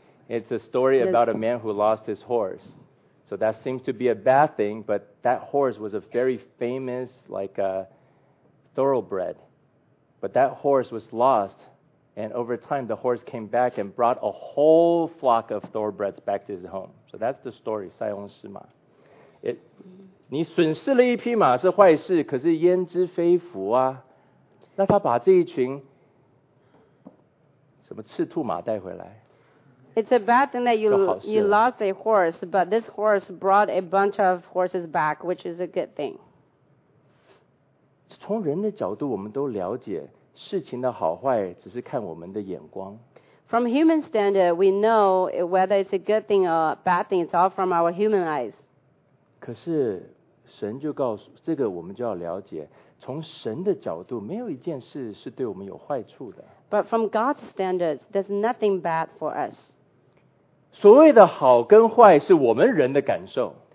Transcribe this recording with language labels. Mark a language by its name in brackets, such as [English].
[English] It's a story about a man who lost his horse. So that seems to be a bad thing, but that horse was a very famous, like a thoroughbred. But that horse was lost, and over time the horse came back and brought a whole flock of thoroughbreds back to his home. So that's the story, [Chinese] 塞翁失马。你损失了一匹马是坏事，可是焉知非福啊？那他把这一群什么赤兔马带回来 [English] ？It's a bad thing that you lost a horse, but this horse brought a bunch of horses back, which is a good thing. [Chinese] 从人的角度，我们都了解事情的好坏，只是看我们的眼光。 [English] From human standard, we know whether it's a good thing or a bad thing. It's all from our human eyes. [Chinese] 可是神就告诉这个，我们就要了解，从神的角度，没有一件事是对我们有坏处的。 [English] But from God's standards, there's nothing bad for us. [Chinese] 所谓的好跟坏是我们人的感受。